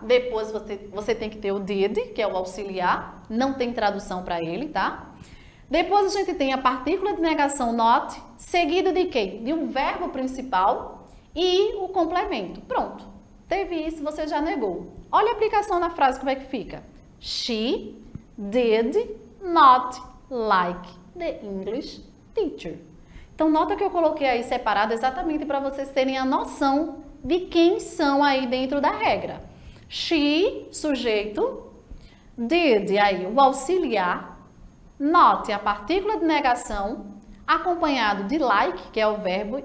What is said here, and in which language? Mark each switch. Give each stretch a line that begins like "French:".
Portuguese: Depois você tem que ter o did, que é o auxiliar, não tem tradução para ele, tá? Depois a gente tem a partícula de negação not, seguido de quê? De um verbo principal e o complemento. Pronto. Teve isso, você já negou. Olha a aplicação na frase, como é que fica?
English: She did not like the English teacher.
Portuguese: Então, nota que eu coloquei aí separado exatamente para vocês terem a noção de quem são aí dentro da regra. She, sujeito. Did, aí o auxiliar. Note a partícula de negação, acompanhado de like, que é o verbo.